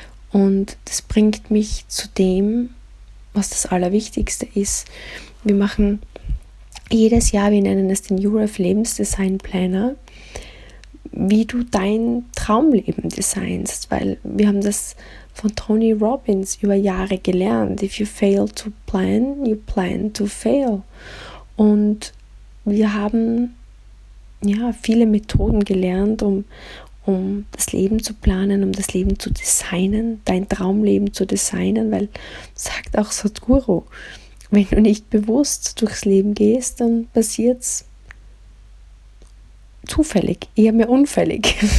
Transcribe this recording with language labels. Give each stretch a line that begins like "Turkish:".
German: Und das bringt mich zu dem, was das Allerwichtigste ist. Wir machen jedes Jahr, wir nennen es den URF Lebensdesign Planner, wie du dein Traumleben designst, weil wir haben das von Tony Robbins über Jahre gelernt.
English: If you fail to plan, you plan to fail.
German: Und wir haben ja viele Methoden gelernt, um das Leben zu planen, um das Leben zu designen, dein Traumleben zu designen, weil, sagt auch Sadhguru, wenn du nicht bewusst durchs Leben gehst, dann passiert es zufällig, eher mehr unfällig.